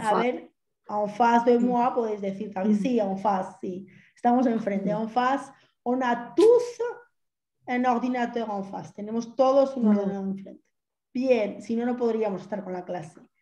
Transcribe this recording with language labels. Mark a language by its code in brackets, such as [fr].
[es] A ver, [fr] en face de moi, [es] puedes decir también. Sí, en face, sí. Estamos enfrente. [fr] En face, on a tous un ordinateur en face. [es] Tenemos todos un ordenador enfrente. Bien, si no, no podríamos estar con la clase.